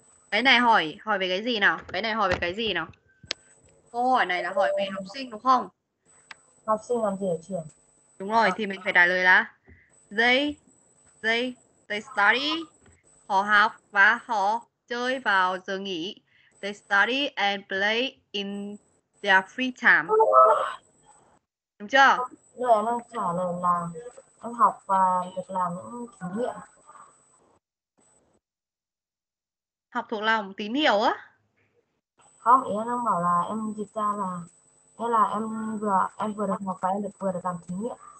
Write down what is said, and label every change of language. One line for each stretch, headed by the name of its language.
Vietnamese: Cái này hỏi hỏi về cái gì nào? Cái này hỏi về cái gì nào? Câu hỏi này là hỏi về học sinh đúng không? Học sinh làm gì ở trường? Đúng rồi, thì mình phải trả lời là
English: they study,
Vietnamese: họ học và họ chơi vào giờ nghỉ.
English: They study and play in their free time.
Vietnamese: Đúng chưa? Rồi em đang trả lời là em học và được làm những thí nghiệm. Học thuộc lòng tín hiệu á? Không, ý em đang bảo là em dịch ra là nghĩa là em vừa được học và em được vừa được làm thí nghiệm.